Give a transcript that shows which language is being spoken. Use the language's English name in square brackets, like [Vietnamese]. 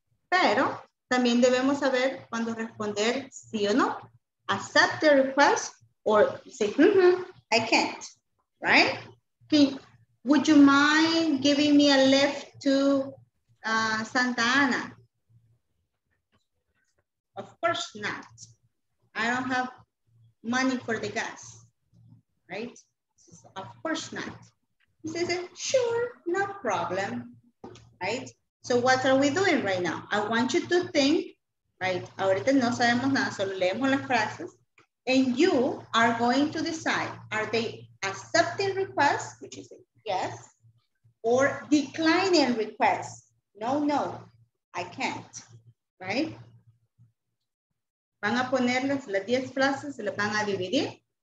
[Spanish] Pero también debemos saber cuando responder sí o no. [English] Accept the request or say, I can't, right? Would you mind giving me a lift to Santa Ana? Of course not. I don't have money for the gas. Right? Of course not. He says, sure, no problem. Right? So what are we doing right now? I want you to think, right? [Spanish] Ahorita no sabemos nada, solo leemos las frases. [English] And you are going to decide, are they accepting requests, which is a yes, or declining requests? No, no, I can't. Right? [Spanish] Van a poner las 10 frases, se las van a dividir.